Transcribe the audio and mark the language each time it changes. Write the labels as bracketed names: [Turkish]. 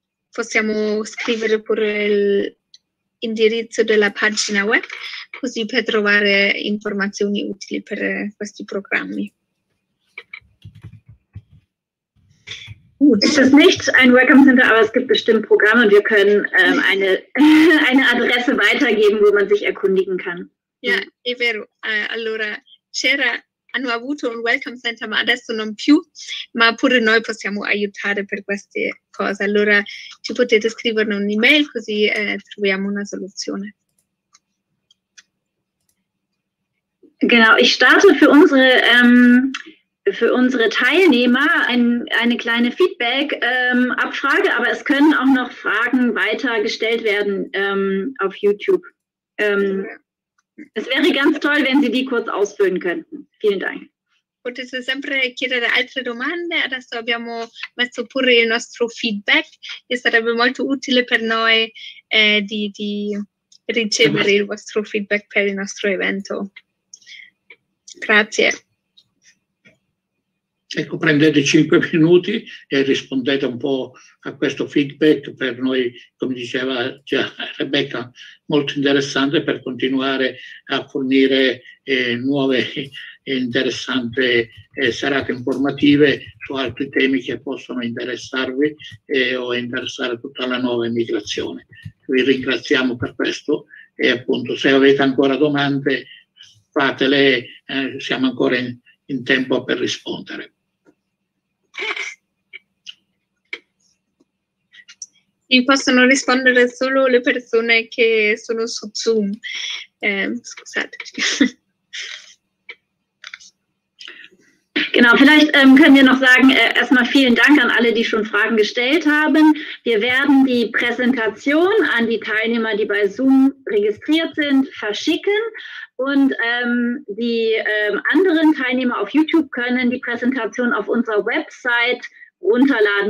[Italian] Possiamo scrivere pure l'indirizzo della pagina web, così per trovare informazioni utili per questi programmi. [German] Es ist nicht ein Welcome Center, aber es gibt bestimmt Programme und wir können eine Adresse weitergeben, wo man sich erkundigen kann. [Italian] Ja, è vero. Allora, c'era, hanno avuto un Welcome Center, ma adesso non più, ma pure noi possiamo aiutare per queste cose. Allora, ci potete scrivere un'email, così troviamo una soluzione. [German] Genau, ich starte für unsere... für unsere Teilnehmer eine kleine Feedback-Abfrage, aber es können auch noch Fragen weitergestellt werden auf YouTube. Es wäre ganz toll, wenn Sie die kurz ausfüllen könnten. Vielen Dank. [Italian] Potete sempre chiedere altre domande. Adesso abbiamo messo pure il nostro feedback e sarebbe molto utile per noi di ricevere il vostro feedback per il nostro evento. Grazie. Ecco, prendete 5 minuti e rispondete un po' a questo feedback per noi, come diceva già Rebecca, molto interessante per continuare a fornire nuove e interessanti serate informative su altri temi che possono interessarvi o interessare tutta la nuova immigrazione. Vi ringraziamo per questo e appunto se avete ancora domande fatele, siamo ancora in tempo per rispondere. Mi possono rispondere solo le persone che sono su Zoom. Scusate. [German] Genau, vielleicht können wir noch sagen, erstmal vielen Dank an alle, die schon Fragen gestellt haben. Wir werden die Präsentation an die Teilnehmer, die bei Zoom registriert sind, verschicken. Und die anderen Teilnehmer auf YouTube können die Präsentation auf unserer Website runterladen.